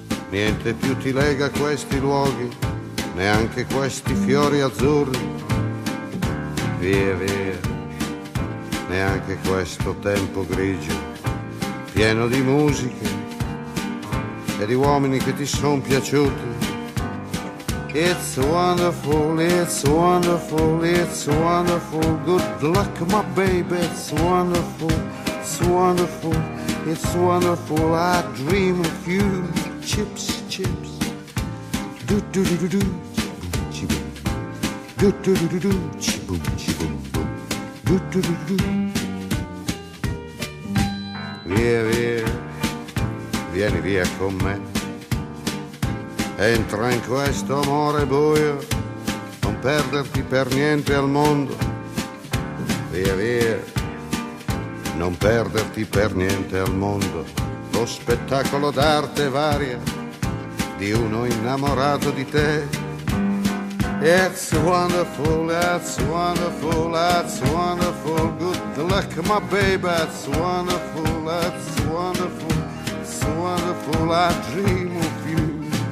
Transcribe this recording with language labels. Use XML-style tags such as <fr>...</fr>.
<it>Niente più ti lega a questi luoghi, neanche questi fiori azzurri. Via, via, neanche questo tempo grigio, pieno di musiche e di uomini che ti son piaciuti.</it> <en>It's wonderful, it's wonderful, it's wonderful. Good luck, my baby, it's wonderful, it's wonderful, it's wonderful. I dream of you, chips, chips. Do do do do do, chibum chibum. Do do do do do, chibum chibum.</en> <it>Do do do do do. Via via, vieni via con me. Entra in questo amore buio, non perderti per niente al mondo. Via via, non perderti per niente al mondo. Lo spettacolo d'arte varia di uno innamorato di te.</it> <en>It's wonderful, that's wonderful, that's wonderful. Good luck, my baby, that's wonderful, that's wonderful. It's wonderful, I dream of you.</en>